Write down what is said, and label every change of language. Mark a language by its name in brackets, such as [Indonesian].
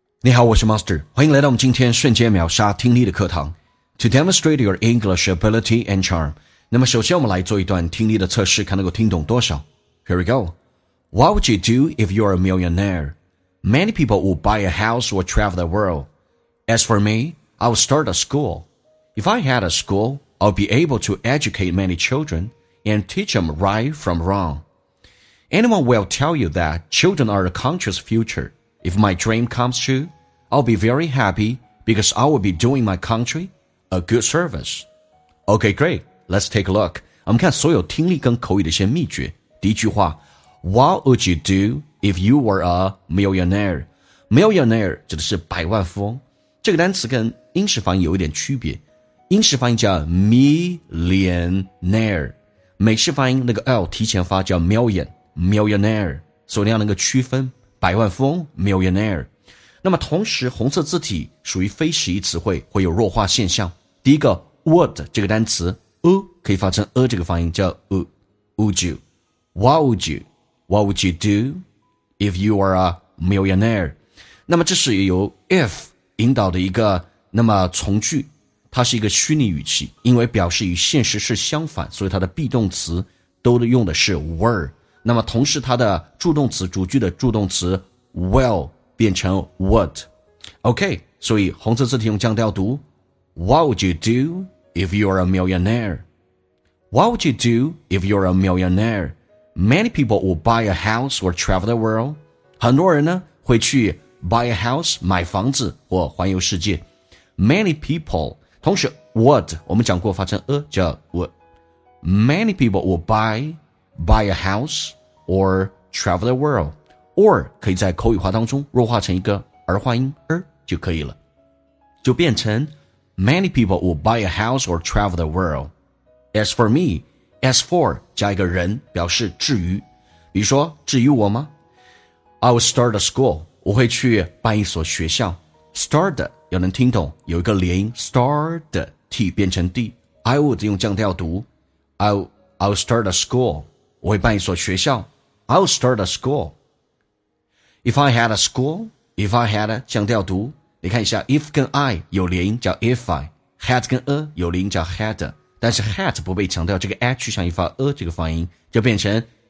[Chinese] 你好，我是 Master， 欢迎来到我们今天瞬间秒杀听力的课堂。 [English] To demonstrate your English ability and charm， [Chinese] 那么首先我们来做一段听力的测试，看能够听懂多少。 [English] Here we go. What would you do if you are a millionaire? Many people will buy a house or travel the world. As for me, I would start a school. If I had a school, I would be able to educate many children and teach them right from wrong. Anyone will tell you that children are a conscious future. If my dream comes true, I'll be very happy because I will be doing my country a good service. Okay, great. Let's take a look. [Chinese] 我们看所有听力跟口语的一些秘诀。第一句话 [English] What would you do if you were a millionaire? [Chinese] Millionaire 指的是百万富翁。这个单词跟英式发音有一点区别。英式发音叫 millionaire。美式发音那个 L 提前发叫 millionaire。所以你要能够区分。百万富翁 millionaire， 那么同时红色字体属于非实义词汇，会有弱化现象。第一个 would 这个单词 u 可以发成 这个发音叫 [English] would you， what would you do if you are a millionaire？ [Chinese] 那么这是由 if 引导的一个那么从句，它是一个虚拟语气，因为表示与现实是相反，所以它的 be 动词都用的是 were。那么同时它的助动词主句的助动词 will 变成 would。 [English] OK， [Chinese] 所以红色字体用降调读 [English] What would you do if you are a millionaire? What would you do if you are a millionaire? Many people will buy a house or travel the world. [Chinese] 很多人呢会去 [English] buy a house [Chinese] 买房子或环游世界。 [English] Many people [Chinese] 同时 [English] would [Chinese] 我们讲过发成叫 would。 [English] Many people will buy a house or travel the world， [Chinese] or 可以在口语化当中弱化成一个儿化音就可以了，就变成 [English] Many people will buy a house or travel the world。 As for me， as for [Chinese] 加一个人表示至于，比如说至于我吗， [English] I will start a school， [Chinese] 我会去办一所学校。 [English] start [Chinese] 要能听懂，有一个连音 start t 变成 d， [English] I would [Chinese] 用降调读 [English] I will start a school We buy a school. I'll start a school. If I had a school, if I had [Chinese] a 降调读，你看一下 ，if 跟 I 有连音叫 if I，had 跟 a 有连音叫 had， 但是 had 不被强调，这个 h 像一发 这个发音，就变成